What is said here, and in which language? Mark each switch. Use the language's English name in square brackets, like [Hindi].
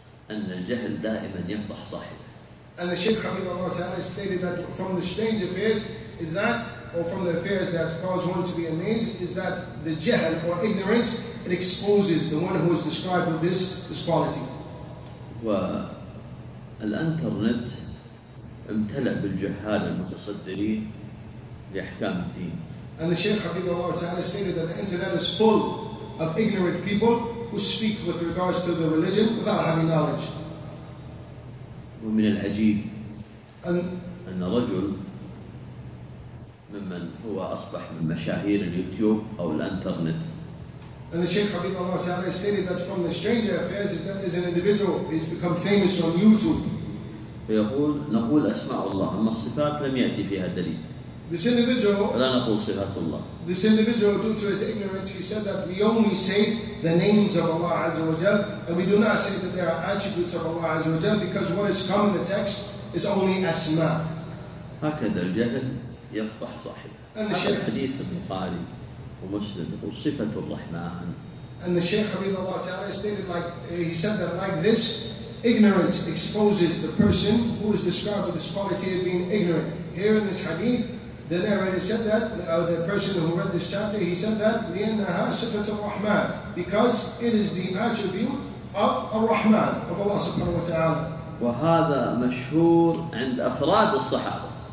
[Arabic] أن الجهل دائما ينفح صاحبه. [English] And the Shaykh Hafidh Allah Ta'ala stated that from the strange affairs is that, or from the affairs that cause one to be amazed, is that the jahl or ignorance, it exposes the one who is described with this quality. [Arabic] والإنترنت امتلأ بالجهال المتصدرين لأحكام الدين. [English] And the Shaykh Hafidh Allah Ta'ala stated that the internet is full of ignorant people who speak with regards to the religion without having knowledge. [Arabic] ومن العجيب أن رجل ممن هو أصبح من مشاهير اليوتيوب أو الإنترنت. [English] And the Shaykh Hafidh Allah Ta'ala stated that from the stranger affairs, if that is an individual, he's become famous on YouTube. [Arabic] فيقول نقول أسماء الله أما الصفات لم يأتي فيها دليل. [English] This individual. [Arabic] فلا نقول صفات الله. [English] This individual, due to his ignorance, he said that we only say the names of Allah Azza wa Jal, and we do not say that there are attributes of Allah Azza wa Jal, because what is come in the text is only أسماء. [Arabic] هكذا الجهل يفضح صاحبه. حديث البخاري ومسلم يقول صفة الرحمن. [English] And the Shaykh Hafidh Allah Ta'ala stated like he said that like this, ignorance exposes the person who is described with this quality of being ignorant. Here in this hadith, the narrator said that the person who read this chapter, he said that [Arabic] لِأَنَّهَا صِفَةُ الرَّحْمَنِ, [English] because it is the attribute of الرحمن, of Allah Subhanahu wa Ta'ala. [Arabic] وهذا مشهور عند أفراد الصحابة.